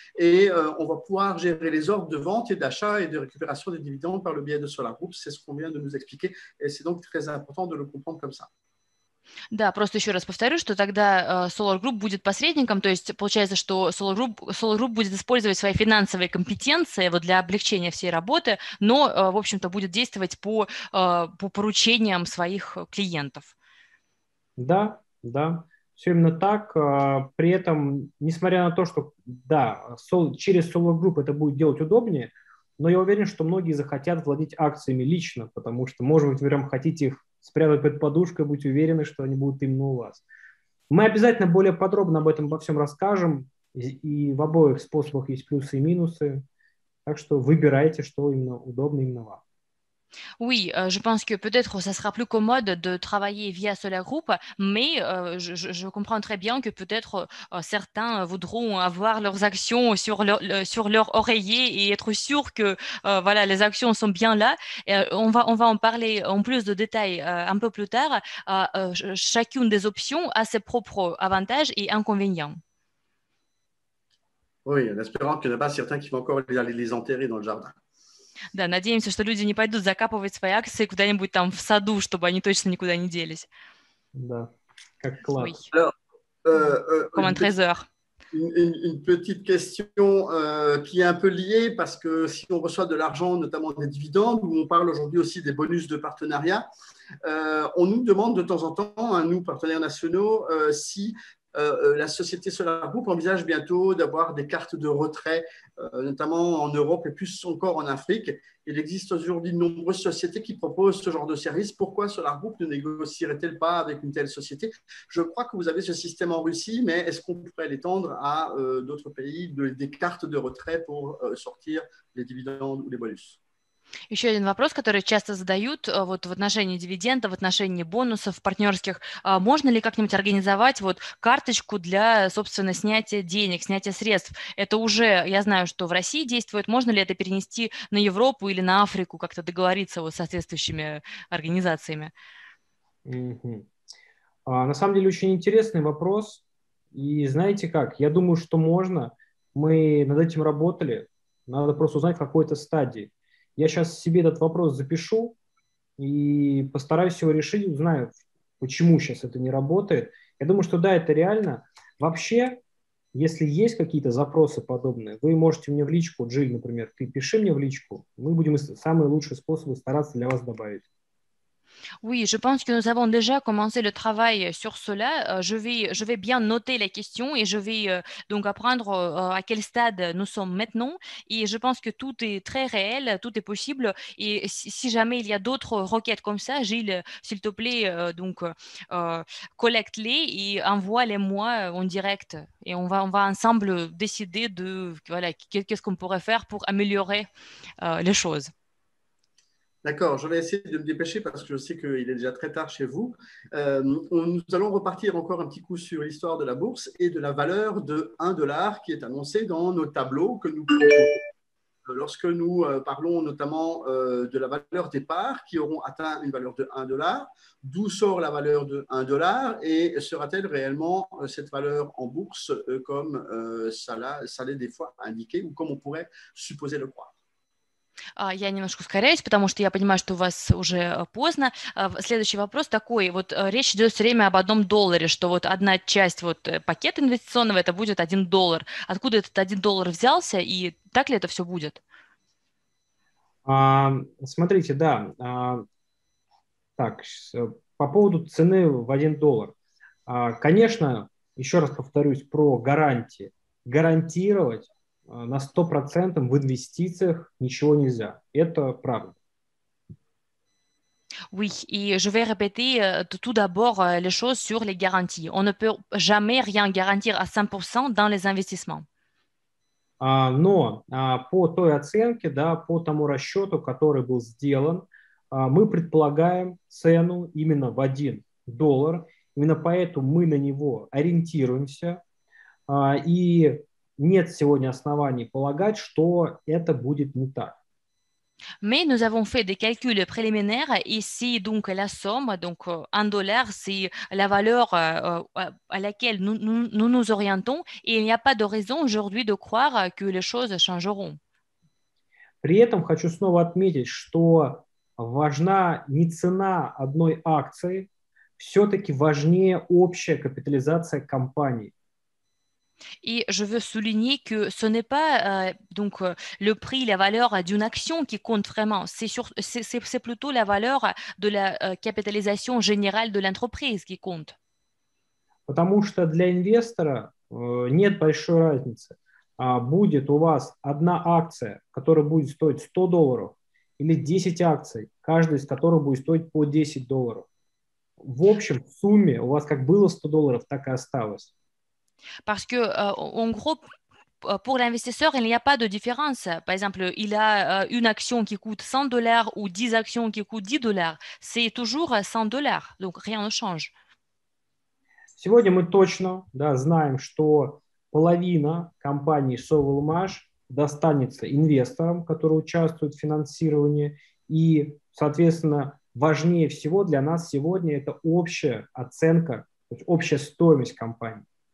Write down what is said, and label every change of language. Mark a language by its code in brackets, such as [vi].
[fr] Et on va pouvoir gérer les ordres de vente et d'achat et de récupération des dividendes par le biais de Solar Group. C'est ce qu'on vient de nous expliquer. Et c'est donc très important de le comprendre comme ça. [ru] Да, просто еще раз повторю, что тогда Solar Group будет посредником, то есть получается, что Solar Group будет использовать свои финансовые компетенции вот, для облегчения всей работы, но, в общем-то, будет действовать по поручениям своих клиентов. Да, все именно так. При этом, несмотря на то, что да, через Solar Group это будет делать удобнее, но я уверен, что многие захотят владеть акциями лично, потому что, может быть, вы прям хотите их спрятать под подушкой, будьте уверены, что они будут именно у вас. Мы обязательно более подробно об этом во всем расскажем, и в обоих способах есть плюсы и минусы, так что выбирайте, что именно удобно именно вам. [fr] Oui, je pense que peut-être ça sera plus commode de travailler via Solar Group, mais je comprends très bien que peut-être certains voudront avoir leurs actions sur leur oreiller et être sûrs que voilà, les actions sont bien là. On va en parler en plus de détails un peu plus tard. Chacune des options a ses propres avantages et inconvénients. Oui, en espérant qu'il n'y en a pas certains qui vont encore aller les enterrer dans le jardin. [ru] Да, надеемся, что люди не пойдут закапывать свои акции куда-нибудь там в саду, чтобы они точно никуда не делись. Да, как [fr] Oui. [ru] клад. [fr] Comme un trésor. Une petite question qui est un peu liée, parce que si on reçoit de l'argent, notamment des dividendes, où on parle aujourd'hui aussi des bonus de partenariat, on nous demande de temps en temps, hein, nous, partenaires nationaux, si la société Solar Group envisage bientôt d'avoir des cartes de retrait, notamment en Europe et plus encore en Afrique. Il existe aujourd'hui de nombreuses sociétés qui proposent ce genre de service. Pourquoi Solar Group ne négocierait-elle pas avec une telle société? Je crois que vous avez ce système en Russie, mais est-ce qu'on pourrait l'étendre à d'autres pays, des cartes de retrait pour sortir les dividendes ou les bonus? [ru] Еще один вопрос, который часто задают вот, в отношении дивидендов, в отношении бонусов партнерских. Можно ли как-нибудь организовать вот, карточку для, собственно, снятия денег, снятия средств? Это уже, я знаю, что в России действует. Можно ли это перенести на Европу или на Африку, как-то договориться вот, с соответствующими организациями? На самом деле очень интересный вопрос. И знаете как? Я думаю, что можно. Мы над этим работали. Надо просто узнать, в какой это стадии. Я сейчас себе этот вопрос запишу и постараюсь его решить. Узнаю, почему сейчас это не работает. Я думаю, что да, это реально. Вообще, если есть какие-то запросы подобные, вы можете мне в личку, Джиль, например, ты пиши мне в личку. Мы будем самые лучшие способы стараться для вас добавить. [fr] Oui, je pense que nous avons déjà commencé le travail sur cela. Je vais bien noter les questions et je vais donc apprendre à quel stade nous sommes maintenant. Et je pense que tout est très réel, tout est possible. Et si jamais il y a d'autres requêtes comme ça, Gilles, s'il te plaît, collecte-les et envoie-les-moi en direct. Et on va ensemble décider de voilà, qu'est-ce qu'on pourrait faire pour améliorer les choses. D'accord, je vais essayer de me dépêcher parce que je sais qu'il est déjà très tard chez vous. Nous allons repartir encore un petit coup sur l'histoire de la bourse et de la valeur de 1 dollar qui est annoncée dans nos tableaux que nous pouvons. Lorsque nous parlons notamment de la valeur des parts qui auront atteint une valeur de 1 dollar, d'où sort la valeur de 1 dollar et sera-t-elle réellement cette valeur en bourse comme ça l'est des fois indiqué ou comme on pourrait supposer le croire? [ru] Я немножко ускоряюсь, потому что я понимаю, что у вас уже поздно. Следующий вопрос такой. Вот речь идет все время об 1 долларе, что вот одна часть вот пакета инвестиционного это будет 1 доллар. Откуда этот 1 доллар взялся и так ли это все будет? Смотрите, да, так, по поводу цены в 1 доллар. Конечно, еще раз повторюсь про гарантии. Гарантировать на 100% в инвестициях ничего нельзя. Это правда. [fr] Oui, et je vais répéter tout d'abord les choses sur les garanties. On ne peut jamais rien garantir à 100% dans les investissements. [ru] Но по той оценке, да, по тому расчету, который был сделан, мы предполагаем цену именно в 1 доллар. Именно поэтому мы на него ориентируемся. И нет сегодня оснований полагать, что это будет не так. [fr] Mais nous avons fait des calculs préliminaires et si donc la somme, donc un dollar, c'est la valeur à laquelle nous nous orientons, il n'y a pas de raison aujourd'hui de croire que les choses changeront. [ru] При этом хочу снова отметить, что важна не цена одной акции, все-таки важнее общая капитализация компании. [fr] Et je veux souligner que ce n'est pas donc le prix, la valeur d'une action qui compte vraiment. C'est plutôt la valeur de la capitalisation générale de l'entreprise qui compte. [ru] Потому что для инвестора нет большой разницы, будет у вас одна акция, которая будет стоить $100, или 10 акций, каждая из которых будет стоить по $10. В общем, в сумме у вас как было $100, так и осталось. [fr] Parce que, en gros, pour l'investisseur, il n'y a pas de différence. Par exemple, il a une action qui coûte $100 ou 10 actions qui coûtent $10. C'est toujours $100, donc rien ne change. [ru] Сегодня мы точно, да, знаем, что половина компании Sovelmash достанется инвесторам, которые участвуют в финансировании. И, соответственно, важнее всего для нас сегодня это общая оценка, то есть общая стоимость компании.